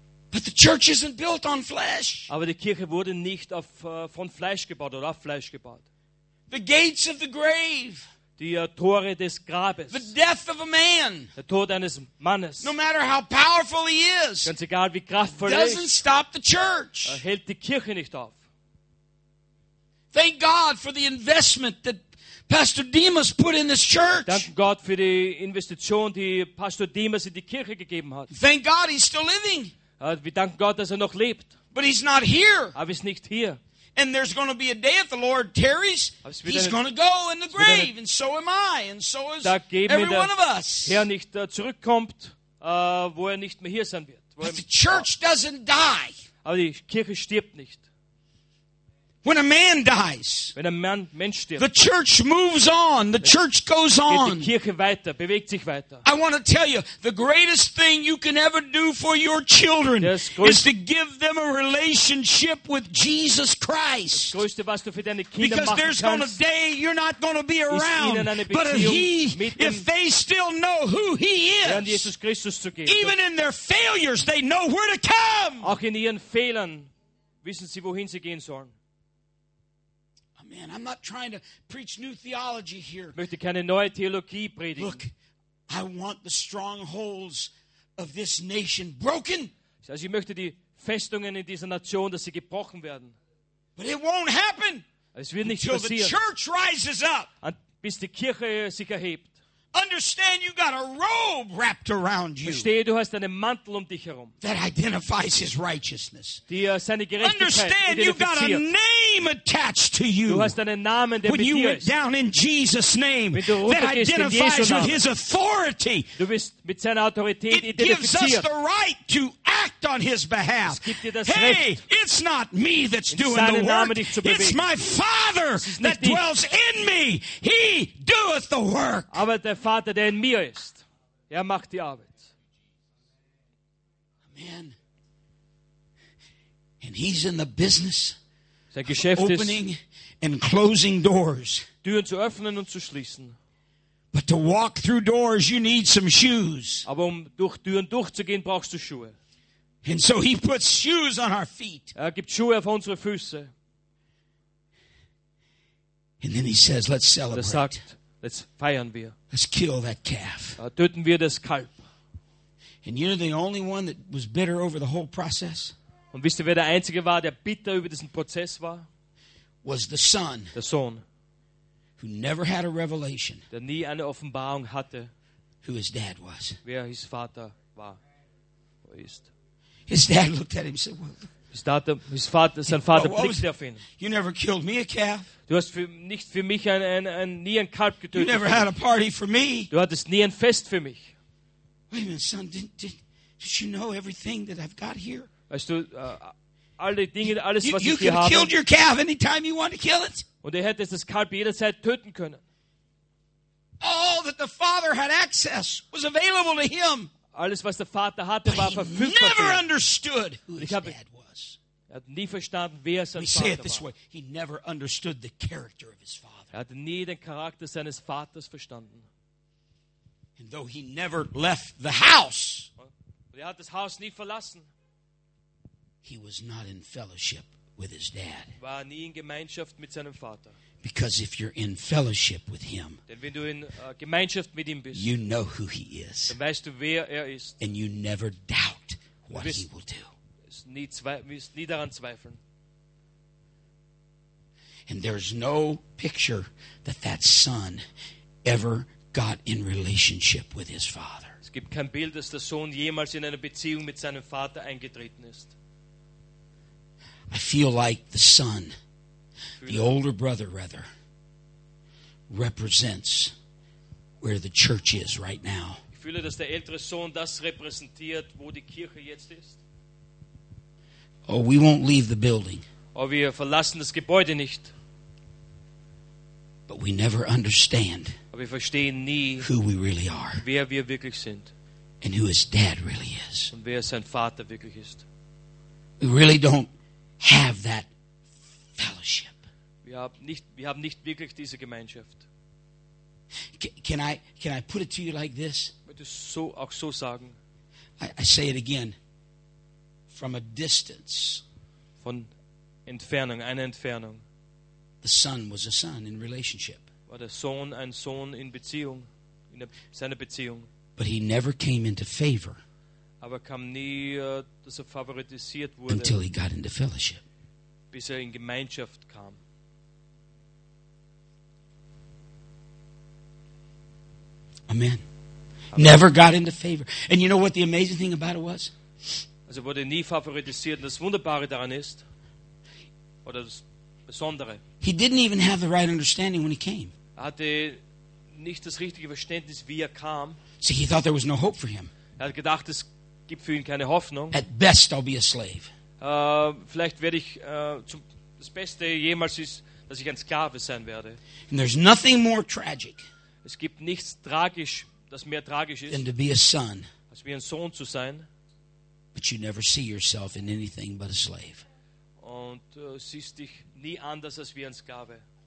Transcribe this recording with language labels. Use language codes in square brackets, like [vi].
[en] But the church isn't built on flesh. [de] Aber die Kirche wurde nicht auf von Fleisch gebaut oder auf Fleisch gebaut. [en] The gates of the grave. [de] Die Tore des Grabes. [en] The death of a man. [de] Der Tod eines Mannes. [en] No matter how powerful he is. [de] Ganz egal wie kraftvoll er ist. [en] Doesn't stop the church. [de] Hält die Kirche nicht auf. [en] Thank God for the investment that Pastor Demas put in this church. [de] Dank Gott für die Investition, die Pastor Demas in die Kirche gegeben hat. [en] Thank God he's still living. [de] Wir danken Gott, dass er noch lebt. [en] But he's not here. [de] Aber er ist nicht hier. [en] And there's going to be a day if the Lord tarries. He's going to go in the grave, and so am I, and so is every one of us. [de] Herr nicht zurückkommt, wo er nicht mehr hier sein wird. [en] But the church doesn't die. [de] Aber die Kirche stirbt nicht. [en] When a man dies, [de] wenn ein Mann, Mensch stirbt, [en] the church moves on. The church goes on. [de] Geht die Kirche weiter, bewegt sich weiter. [en] I want to tell you, the greatest thing you can ever do for your children is to give them a relationship with Jesus Christ. [de] Das Größte, was du für deine Kinder machen kannst, [en] there's going to be a day you're not going to be around. But if they still know who he is, [de] Jesus Christus zu geben, [en] even in their failures, they know where to come. [de] Auch in ihren Fehlern wissen sie, wohin sie gehen sollen. [en] Man, I'm not trying to preach new theology here. [de] Möchte keine neue Theologie predigen. [en] Look, I want the strongholds of this nation broken. [de] Also ich möchte die Festungen in dieser Nation, dass sie gebrochen werden. [en] But it won't happen. [de] Es wird nicht [en] until [de] passieren. [en] The church rises up. [de] Bis die Kirche sich erhebt. [en] Understand, you got a robe wrapped around you. [de] Verstehe, du hast einen Mantel um dich herum. [en] That identifies his righteousness. [de] Die seine Gerechtigkeit. [en] Understand, you got a name attached to you. [de] Du hast einen Namen, der [en] when you went down in Jesus' name, that identifies with his authority. [de] Du bist mit seiner Autorität [en] it gives us the right to act on his behalf. [de] Es gibt dir das [en] hey, [de] Recht, [en] it's not me that's doing the [de] Namen [en] work. It's my Father that [de] dich. [en] Dwells in me. He doeth the work. [de] Aber der Vater, der in mir ist, er macht die Arbeit. [en] Amen. And he's in the business [de] sein Geschäft [en] of opening and closing doors. [de] Türen zu öffnen und zu schließen. [en] But to walk through doors, you need some shoes. [de] Aber um durch Türen durchzugehen, brauchst du Schuhe. [en] And so he puts shoes on our feet. [de] Er gibt Schuhe auf unsere Füße. [en] And then he says, let's celebrate. [de] Er sagt, [en] let's [de] feiern wir. [en] Let's kill that calf. [de] Töten wir das Kalb. [en] And you know the only one that was bitter over the whole process? [de] Und wisst ihr, wer der einzige war, der bitter über diesen Prozess war? [en] Was the son. [de] Der Sohn. [en] Who never had a revelation. [de] Der nie eine Offenbarung hatte. [en] Who his dad was. [de] Wer [en] his [de] Vater war. Wo ist. [en] His dad looked at him and said, well, [de] Sein Vater blickte auf ihn. [en] You never killed me a calf. [de] Du hast nicht für mich nie ein Kalb getötet. [en] You never had a party for me. [de] Du hattest nie ein Fest für mich. [en] Wait a minute, son. Did you know everything that I've got here? [de] Weißt du, alle Dinge, alles, was [en] you [de] ich hier habe. [en] Killed your calf anytime you want to kill it. [de] Und er hätte das Kalb jederzeit töten können. [en] All that the father had access was available to him. [de] Alles, was der Vater hatte, war verfügbar. [en] He never understood who his dad was. [de] Er hat nie verstanden, wer sein Vater war. [en] He this way. He never understood the character of his father. [de] Er hat nie den Charakter seines Vaters verstanden. [en] And though he never left the house, [de] er hat das Haus nie verlassen. [en] He was not in fellowship with his dad. [de] War nie in Gemeinschaft mit seinem Vater. [en] Because if you're in fellowship with him, [de] denn wenn du in Gemeinschaft mit ihm bist, [en] you know who he is. [de] Dann weißt du, wer er ist. [en] And you never doubt what he will do. [de] Nie daran zweifeln. [en] And there's no picture that son ever got in relationship with his father. [de] Es gibt kein Bild, dass der Sohn jemals in eine Beziehung mit seinem Vater eingetreten ist. [en] I feel like the son, the older brother rather, represents where the church is right now. [de] Ich fühle, dass der ältere Sohn das repräsentiert, wo die Kirche jetzt ist. [en] Oh, we won't leave the building. [de] Aber wir verlassen das Gebäude nicht. [en] But we never understand [de] Aber wir verstehen nie, [en] who we really are. [de] Wer wir wirklich sind. [en] And who his dad really is. [de] Und wer sein Vater wirklich ist. [en] We really don't have that fellowship. [de] Wir haben nicht wirklich diese Gemeinschaft. [en] Can I put it to you like this? [de] So sagen. [en] I say it again. From a distance. [de] Von Entfernung, einer Entfernung. [en] The son was a son in relationship. [de] War der Sohn ein Sohn in Beziehung, in seiner Beziehung. [en] But he never came into favor. [de] Aber kam nie, dass favorisiert wurde. [en] Until he got into fellowship. [de] Bis in Gemeinschaft kam. [en] Amen. Never got into favor. And you know what the amazing thing about it was? [de] Also wurde nie favorisiert. Und das Wunderbare daran ist, oder das Besondere. [en] He didn't even have the right understanding when he came. [de] Er hatte nicht das richtige Verständnis, wie er kam. [en] See, he thought there was no hope for him. [de] Er hat gedacht, es gibt für ihn keine Hoffnung. [en] At best, I'll be a slave. [de] Vielleicht werde ich zum, das Beste jemals ist, dass ich ein Sklave sein werde. [en] And there's nothing more tragic. [de] Es gibt nichts tragisch, das mehr tragisch ist, [en] than to be a son. [de] Als wie ein Sohn zu sein. [en] But you never see yourself in anything but a slave. [de] Und siehst dich nie anders als wie ein Sklave.